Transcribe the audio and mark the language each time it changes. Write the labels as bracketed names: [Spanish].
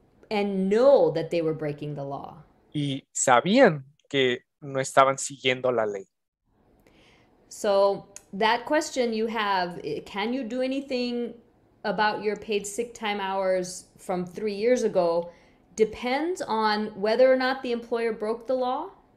[English] And know that they were breaking the law. [Spanish] Y sabían que no estaban siguiendo la ley. [English] So that question you have, can you do anything about your paid sick time hours from 3 years ago, depends on whether or not the employer broke the law?